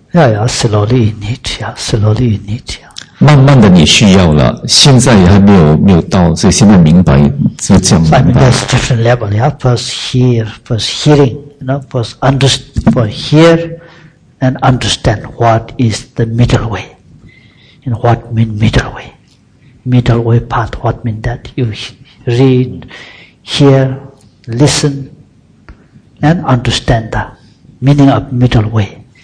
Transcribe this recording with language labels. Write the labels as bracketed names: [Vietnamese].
[English] Yeah, yeah, slowly you need, yeah, slowly you need, yeah. [Chinese] 慢慢的你需要了，现在还没有到，所以现在明白就这样明白。 [English] I mean, there's different level, yeah. First hearing, you know, first understanding. for hear and understand what is the middle way. You know, what mean middle way? Middle way path, what mean that? You read, hear, listen, and understand the meaning of middle way.